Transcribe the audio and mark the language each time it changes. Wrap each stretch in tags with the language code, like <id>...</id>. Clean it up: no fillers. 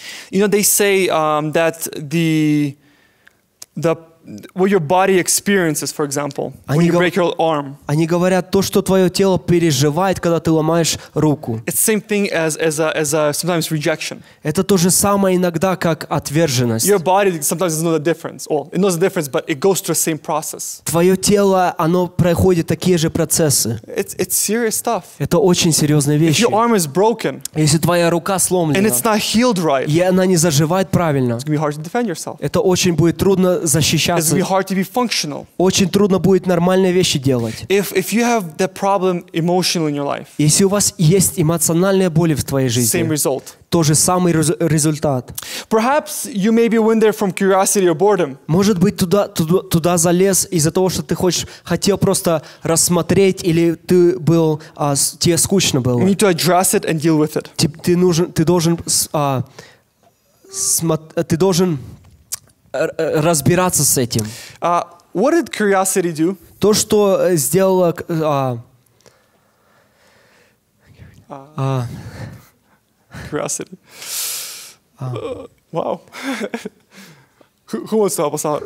<en>You know, they say that the what your body experiences, for example, when you break your arm.</en> <ru>Они говорят то, что твое тело переживает, когда ты ломаешь руку.</ru> <en>It's the same thing as a sometimes rejection.</en> <ru>Это то же самое иногда, как отверженность.</ru> <en>Your body sometimes doesn't know the difference. Well, it knows the difference, but it goes through the same process.</en> <ru>Твое тело, оно проходит такие же процессы.</ru> <en>It's serious stuff.</en> <ru>Это очень серьезные вещи.</ru> <en>If your arm is broken,</en> <ru>если твоя рука сломлена,</ru> <en>and it's not healed right,</en> <ru>и она не заживает правильно,</ru> <en>it's gonna be hard to defend yourself.</en> <ru>Это очень будет трудно защищать. сейчас</ru> <en>it's hard to be functional.</en> <ru>Очень трудно будет нормальные вещи делать.</ru> <en>If you have the problem emotionally in your life,</en> <ru>если у вас есть эмоциональные боли в твоей жизни,</ru> <en>same result.</en> <ru>То же самый результат.</ru> <en>Perhaps you maybe went there from curiosity or boredom.</en> <ru>Может быть, туда залез из-за того, что ты хотел просто рассмотреть, или ты был тебе скучно было.</ru> <en>You need to address it and deal with it.</en> <ru>Ты должен разбираться с этим.</ru> <en>What did curiosity do?</en> <ru>То, что сделала</ru> <en>curiosity. Wow. Who wants to help us out?</en>